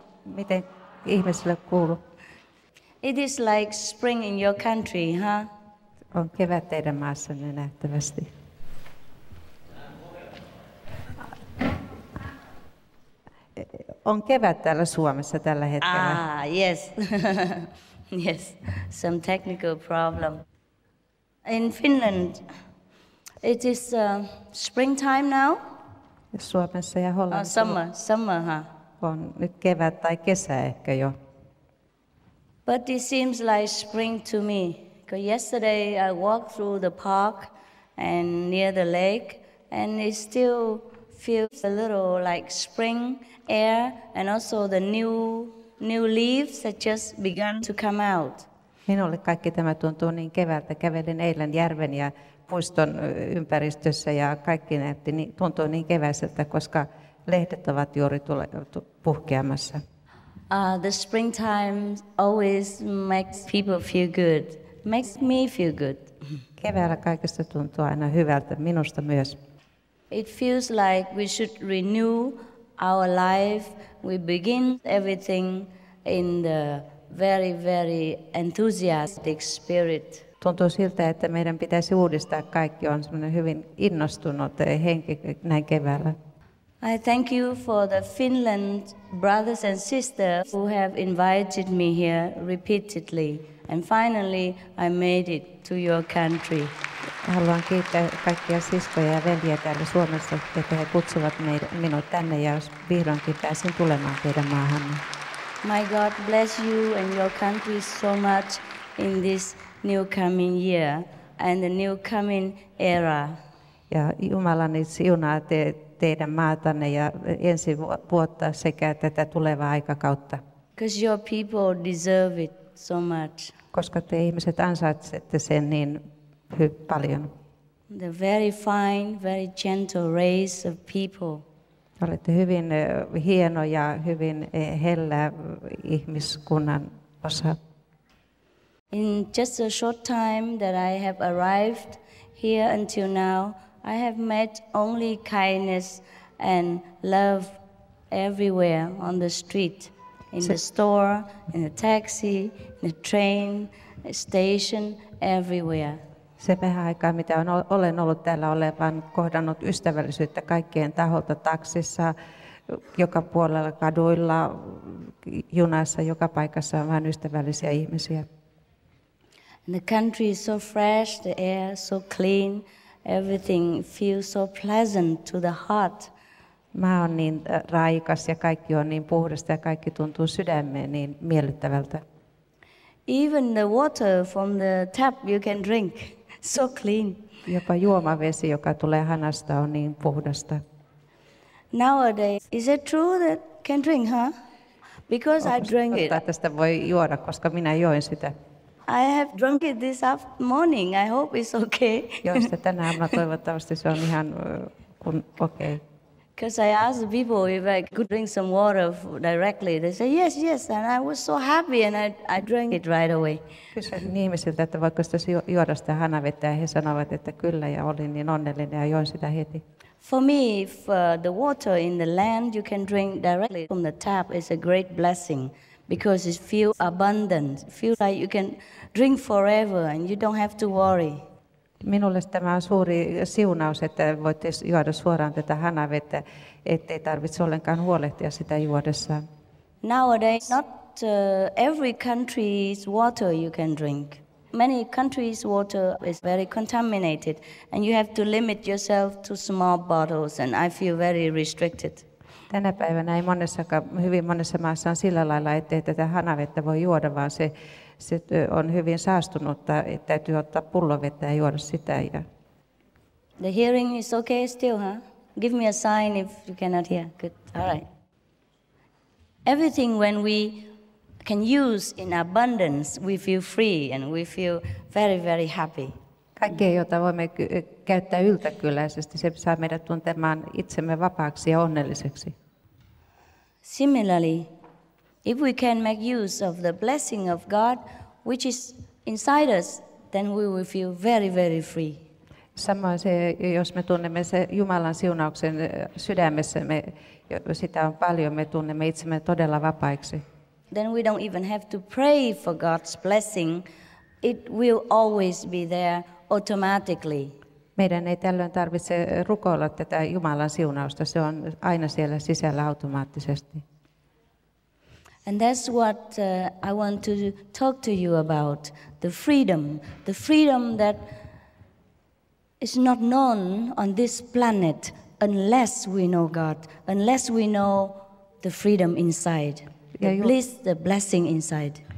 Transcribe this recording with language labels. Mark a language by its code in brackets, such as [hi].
[fi] Miten ihmisille kuuluu? [en] It is like spring in your country, huh? [fi] On kevät teidän maassanne nähtävästi. On kevät täällä Suomessa tällä hetkellä. [en] Yes. Yes, some technical problem. In Finland, it is springtime now. [fi] Suomessa ja Hollannissa. [en] Summer, huh? [fi] On nyt kevät tai kesä ehkä jo. [en] But it seems like spring to me. Because yesterday I walked through the park and near the lake, and it still feels a little like spring air, and also the new leaves that just began to come out. [fi] Minulle kaikki tämä tuntuu niin keväältä. Kävelin eilen järven ja puiston ympäristössä, ja kaikki näytti niin, tuntuu niin keväiseltä, koska lehdet ovat juuri puhkeamassa. [en] The springtime always makes people feel good. Makes me feel good. [fi] Keväällä kaikesta tuntuu aina hyvältä, minusta myös. [en] It feels like we should renew our life. We begin everything in the very, very enthusiastic spirit. [fi] Tuntuu siltä, että meidän pitäisi uudistaa kaikki. On semmoinen hyvin innostunut henki näin keväällä. [en] I thank you for the Finland brothers and sisters who have invited me here repeatedly. And finally, I made it to your country. [fi] Haluan kiittää kaikkia siskoja ja veljiä täällä Suomessa, että he kutsuvat minut tänne, ja vihdoinkin pääsin tulemaan teidän maahanne. [en] My God bless you and your country so much in this new coming year and the new coming era. [fi] Ja Jumalani siunaa teidän maatanne ja ensi vuotta sekä tätä tulevaa aikakautta. [en] Because your people deserve it so much. [fi] Koska te ihmiset ansaitsette sen niin paljon. [en] The very fine, very gentle race of people. [fi] Olette hyvin hieno ja hyvin hellä ihmiskunnan osa. [en] In just a short time that I have arrived here until now, I have met only kindness and love everywhere on the street. In the store, in the taxi, in the train, station, everywhere. [fi] Se vähän aikaa, mitä olen ollut täällä, olen vaan kohdannut ystävällisyyttä kaikkien taholta, taksissa, joka puolella, kaduilla, junassa, joka paikassa on vain ystävällisiä ihmisiä. [en] And the country is so fresh, the air so clean, everything feels so pleasant to the heart. [fi] Mä oon niin raikas ja kaikki on niin puhdasta ja kaikki tuntuu sydämeen niin miellyttävältä. [en] Even the water from the tap you can drink, so clean. [fi] Jopa juomavesi, joka tulee hanasta, on niin puhdasta. [en] Nowadays, is it true that can drink, huh? Because I drank it. [fi] Tästä voi juoda, koska minä join sitä. [en] I have drunk it this morning. I hope it's okay. [fi] Joo, sitä tänä aamuna toivottavasti se on ihan kun okei. [en] Okay. Because I asked the people if I could drink some water directly. They said, yes, yes, and I was so happy and I drank it right away. [fi] Kysyin ihmisiltä, että voiko sitä juoda sitä hanavettä, ja he sanoivat, että kyllä, ja olin niin onnellinen ja join sitä heti. [en] For me, if the water in the land you can drink directly from the tap is a great blessing because it feels abundant. It feels like you can drink forever and you don't have to worry. [fi] Minulle tämä on suuri siunaus, että voitte juoda suoraan tätä hanavettä, ettei tarvitse ollenkaan huolehtia sitä juodessaan. [en] Nowadays, not every country's water you can drink. Many countries' water is very contaminated, and you have to limit yourself to small bottles, and I feel very restricted. [fi] Tänä päivänä ei hyvin monessa maassa on sillä lailla, ettei tätä hanavettä voi juoda, vaan se on hyvin saastunutta, että täytyy ottaa pullovettä ja juoda sitä. [en] The hearing is okay still, huh? Give me a sign if you cannot hear. Good. All right. Everything when we can use in abundance, we feel free and we feel very, very happy. [fi] Kaikkea, jota voimme käyttää yltäkyläisesti, se saa meidät tuntemaan itsemme vapaaksi ja onnelliseksi. [en] Similarly, if we can make use of the blessing of God, which is inside us, then we will feel very, very free. [fi] Samoin se, jos me tunnemme se Jumalan siunauksen sydämessä, me sitä on paljon, me tunnemme itsemme todella vapaiksi. [en] Then we don't even have to pray for God's blessing. It will always be there automatically. [fi] Meidän ei tällöin tarvitse rukoilla tätä Jumalan siunausta. Se on aina siellä sisällä automaattisesti. [en] And that's what I want to talk to you about, the freedom that is not known on this planet unless we know God, unless we know the freedom inside, the blessing inside.